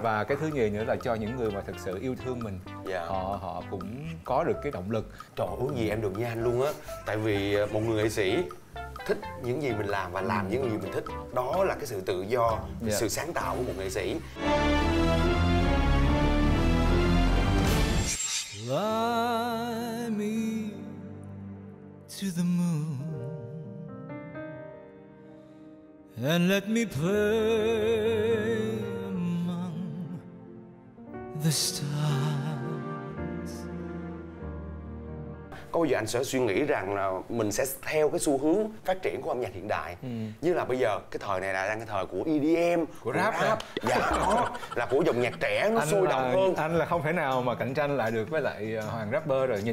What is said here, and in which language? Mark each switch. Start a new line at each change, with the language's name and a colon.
Vietnamese: Và cái thứ nhì nữa là cho những người mà thật sự yêu thương mình, họ cũng có được cái động lực. Trời ơi, gì em được như anh luôn á. Tại vì một người nghệ sĩ thích những gì mình làm và làm những gì mình thích, đó là cái sự tự do, sự sáng tạo của một nghệ sĩ.
English: Fly me to the moon and let me play among the stars.
Vietnamese: Có bao giờ anh sẽ suy nghĩ rằng là mình sẽ theo cái xu hướng phát triển của âm nhạc hiện đại, như là bây giờ cái thời này là đang cái thời của EDM, của rap, là của dòng nhạc trẻ nó sôi động hơn. Anh là không thể nào mà cạnh tranh lại được với lại Hoàng rapper rồi.